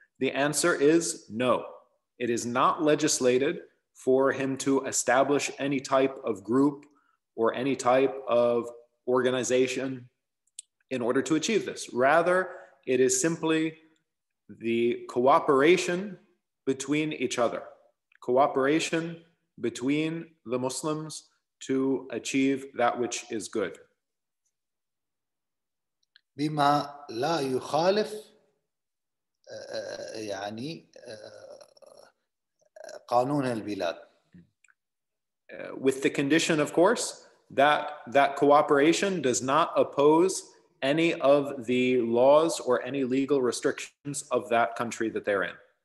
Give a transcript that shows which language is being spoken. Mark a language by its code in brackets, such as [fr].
[en] The answer is no. It is not legislated for him to establish any type of group or any type of organization in order to achieve this. Rather, it is simply the cooperation between each other, cooperation between the Muslims to achieve that which is good. [ar] بما لا يخالف يعني قانون البلاد. [en] With the condition, of course, that cooperation does not oppose any of the laws or any legal restrictions of that country that they're in.